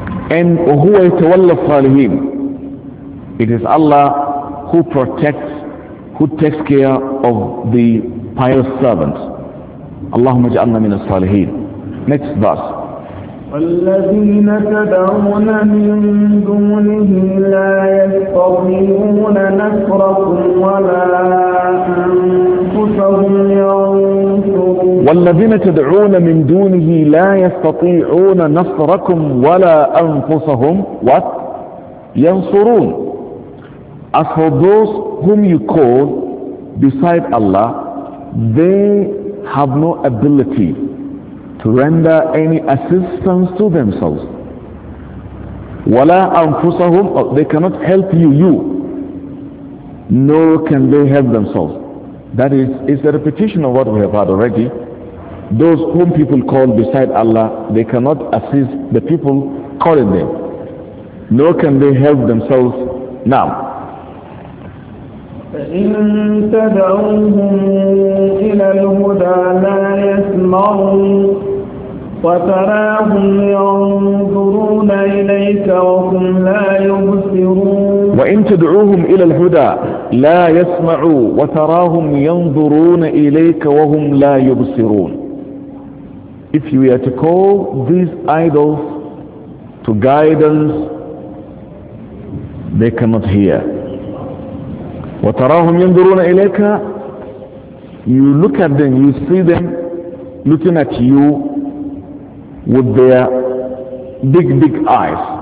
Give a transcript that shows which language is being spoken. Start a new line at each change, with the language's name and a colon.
English: And who is
Arabic: tawalla salihin?
English: It is Allah who protects, who takes care of the pious servants.
Arabic: Allahumma ja'alna min as-salihin.
English: Next verse.
Arabic: الذين تدعون من دونه لا يستطيعون نصركم ولا أنفسهم ينصرون. والذين تدعون من دونه لا يستطيعون نصركم ولا أنفسهم
English: what
Arabic: ينصرون.
English: As for those whom you call beside Allah, they have no ability to render any assistance to themselves.
Arabic: وَلَا أَنفُسَهُمْ
English: They cannot help you, nor can they help themselves. That is, it's a repetition of what we have had already. Those whom people call beside Allah, they cannot assist the people calling them, nor can they help themselves now.
Arabic: فإن تدعوهم إلى الهدى لا يسمعون وتراهم ينظرون إليك وهم لا يبصرون. وإن تدعوهم إلى الهدى لا يسمعوا وتراهم ينظرون إليك وهم لا يبصرون.
English: If you were to call these idols to guidance, they cannot hear.
Arabic: وتراهم ينظرون إليك.
English: You look at them, you see them looking at you with their big, big eyes.